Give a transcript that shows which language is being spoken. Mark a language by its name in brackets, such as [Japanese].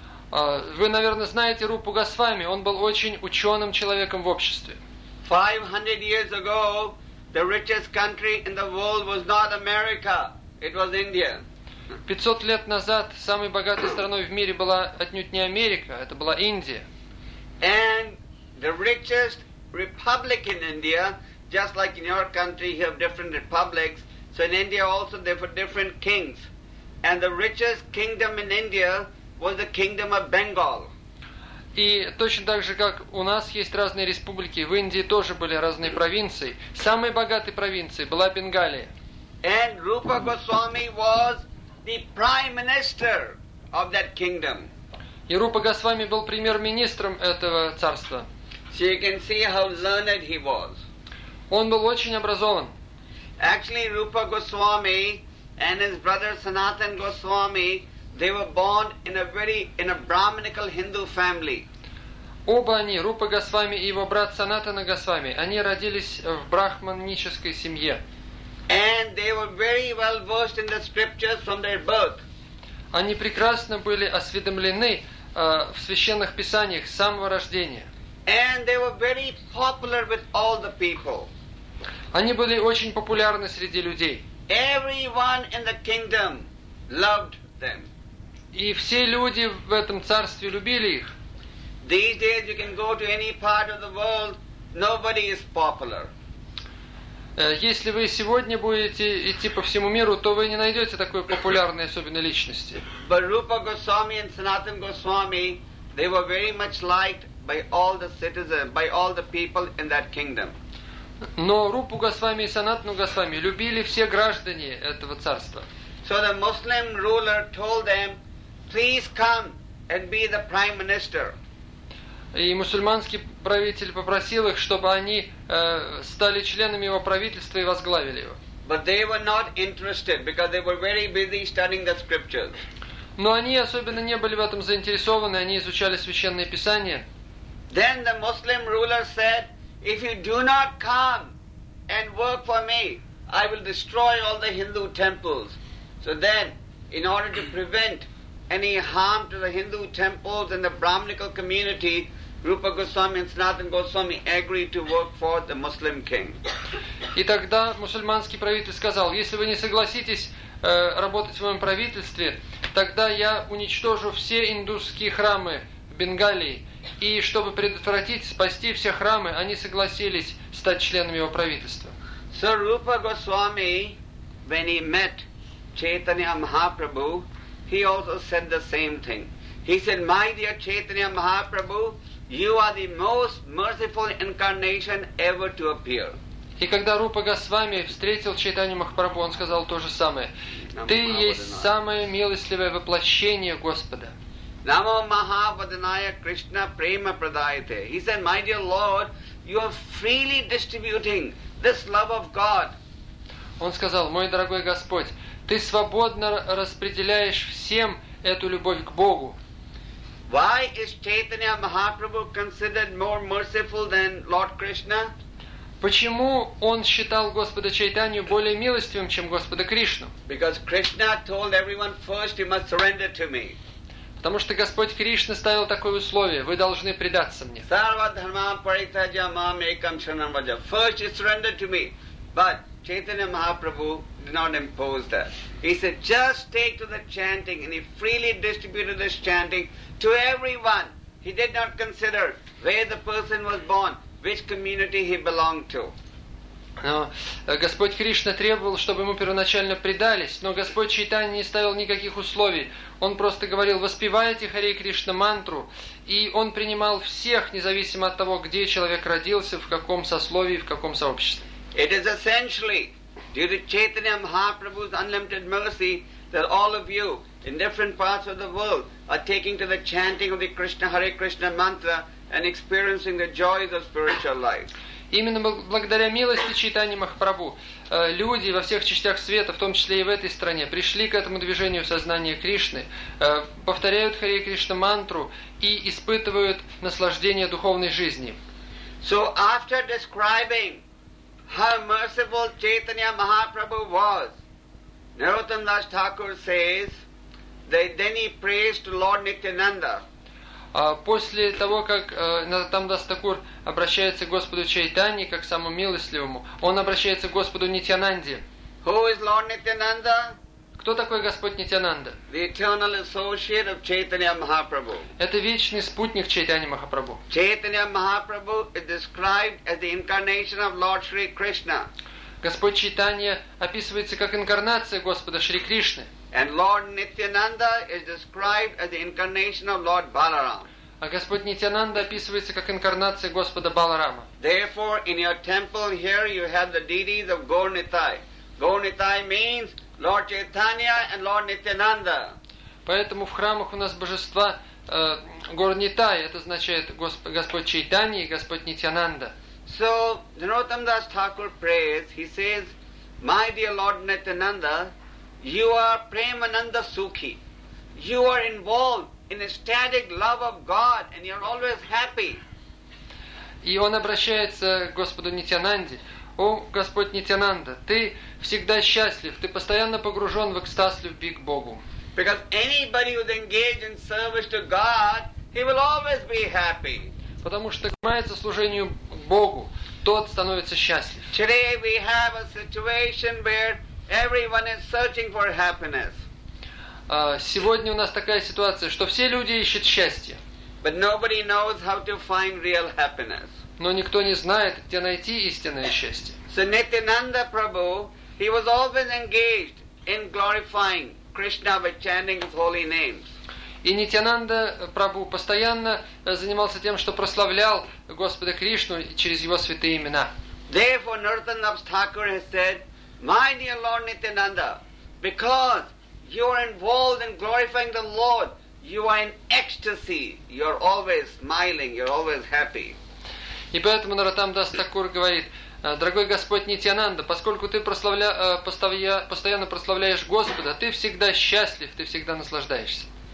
[Russian] Вы, наверное, знаете Рупу Госвами, он был очень ученым человеком в обществе. [English] 500 years ago, the richest country in the world was not America, it was India. [Russian] 500 лет назад самой богатой страной в мире была отнюдь не Америка, это была Индия. [English] And the richest republic in India, just like in your country, you have different republics. So in India also there were different kings. And the richest kingdom in India was the kingdom of Bengal. [Russian] И точно так же, как у нас есть разные республики, в Индии тоже были разные провинции. Самой богатой провинцией была Бенгалия. [English] And Rupa Goswami was the Prime Minister of that kingdom. [Russian] И Рупа Госвами был премьер-министром этого царства. [English] So you can see how learned he was. [Russian] Он был очень образован. [English] Actually, Rupa Goswami and his brother Sanatan Goswami, they were born in a Brahminical Hindu family. [Russian] Оба они, Рупа Госвами и его брат Санатана Госвами, они родились в брахманической семье. [English] And they were very well versed in the scriptures from their birth. [Russian] Они прекрасно были осведомлены в священных писаниях с самого рождения. [English] And they were very popular with all the people. [Russian] Они были очень популярны среди людей. [English] Everyone in the kingdom loved them. [Russian] И все люди в этом царстве любили их. [English] These days you can go to any part of the world, nobody is popular. [Russian] Если вы сегодня будете идти по всему миру, то вы не найдете такой популярной особенной личности. [English] But Rupa Goswami and Sanatan Goswami, they were very much liked by all the citizens, by all the people in that kingdom. [Russian] Но Рупу Госвами и Санатану Госвами любили все граждане этого царства. [English] So the Muslim ruler told them, please come and be the prime minister. [Russian] И мусульманский правитель попросил их, чтобы они стали членами его правительства и возглавили его. [English] But they were not interested because they were very busy studying the scriptures. [Russian] Но они особенно не были в этом заинтересованы, они изучали священные писания. [English] Then the Muslim ruler said, if you do not come and work for me, I will destroy all the Hindu temples. So then, in order to prevent any harm to the Hindu temples and the Brahminical community, Rupa Goswami and Sanatan Goswami agreed to work for the Muslim king. [Russian] И тогда мусульманский правитель сказал, если вы не согласитесь работать в моем правительстве, тогда я уничтожу все индусские храмы в Бенгалии. И чтобы предотвратить, спасти все храмы, они согласились стать членами его правительства. [English] So Rupa Goswami, when he met Chaitanya Mahaprabhu, he also said the same thing. He said, my dear Chaitanya Mahaprabhu, you are the most merciful incarnation ever to appear. [Russian] И когда Рупа Госвами встретил Чайтанью Махапрабху, он сказал то же самое. Ты есть самое милостивое воплощение Господа. [Sanskrit] Namo Mahavadanaya Krishna Prema Pradayate. [English] He said, my dear Lord, you are freely distributing this love of God. [Russian] Он сказал, мой дорогой Господь, ты свободно распределяешь всем эту любовь к Богу. [English] Why is Chaitanya Mahaprabhu considered more merciful than Lord Krishna? [Russian] Почему он считал Господа Чайтанью более милостивым, чем Господа Кришну? [English] Because Krishna told everyone first, you must surrender to me. [Russian] Потому что Господь Кришна ставил такое условие, вы должны предаться мне. [Sanskrit] Sarva dharma paritaja mam ekam sharanam vraja. [English] First you surrender to me. But Chaitanya Mahaprabhu did not impose that. He said, just take to the chanting, and he freely distributed this chanting to everyone. He did not consider where the person was born, which community he belonged to. [Russian] Но Господь Кришна требовал, чтобы ему первоначально предались, но Господь Чайтанья не ставил никаких условий. Он просто говорил, воспевайте Харе Кришна мантру, и он принимал всех, независимо от того, где человек родился, в каком сословии, в каком сообществе. [English] It is essentially due to Chaitanya Mahaprabhu's unlimited mercy that all of you in different parts of the world are taking to the chanting of the Krishna Hare Krishna mantra and experiencing the joys of spiritual life. [Russian] Именно благодаря милости Чайтаньи Махапрабху люди во всех частях света, в том числе и в этой стране, пришли к этому движению сознания Кришны, повторяют Харе Кришна мантру и испытывают наслаждение духовной жизни. [English] So after describing how merciful Chaitanya Mahaprabhu was, Narottam Das Thakur says that then he prays to Lord Nityananda. [Russian] После того, как Narottam Das Thakur обращается к Господу Чайтанье, как к самому милостливому, он обращается к Господу Нитянанде. [English] Who is Lord Nityananda? [Russian] Кто такой Господь Нитянанда? [English] The eternal associate of Chaitanya Mahaprabhu. [Russian] Это вечный спутник Чайтаньи Махапрабху. [English] Chaitanya Mahaprabhu is described as the incarnation of Lord Shri Krishna. [Russian] Господь Чайтанья описывается как инкарнация Господа Шри Кришны. [English] And Lord Nityananda is described as the incarnation of Lord Balaram. [Russian] А Господь Нитянанда описывается как инкарнация Господа Баларама. [English] Therefore, in your temple here you have the deities of Gaur Nithai. Gaur Nithai means Lord Chaitanya and Lord Nityananda. [Russian] Поэтому в храмах у нас божества Горнитай, это означает Господь Чайтанья и Господь Нитьянанда. [English] So, Narottam Das Thakur prays, he says, My dear Lord Nityananda, you are Premananda Sukhi. You are involved in ecstatic love of God and you are always happy. [Russian] И он обращается к Господу Нитьянанде. О, Господь Нитьянанда, ты всегда счастлив, ты постоянно погружен в экстаз любви к Богу. [English] Because anybody who's engaged in service to God, he will always be happy. [Russian] Потому что занимается служению Богу, тот становится счастлив. [English] Today we have a situation where everyone is searching for happiness. [Russian] Сегодня у нас такая ситуация, что все люди ищут счастье. [English] But nobody knows how to find real happiness. [Russian] Но никто не знает, где найти истинное счастье. [English] So Nityananda Prabhu, he was always engaged in glorifying Krishna by chanting his holy names. [Russian] И Нитьянанда Прабху постоянно занимался тем, что прославлял Господа Кришну через его святые имена. [English] Therefore, Narottam Das Thakur has said, My dear Lord Nityananda, because you are involved in glorifying the Lord, you are in ecstasy, you are always smiling, you are always happy. [Russian] И поэтому Нараттам Дас Такур говорит, дорогой Господь Нитьянанда, поскольку ты постоянно прославляешь Господа, ты всегда счастлив, ты всегда наслаждаешься.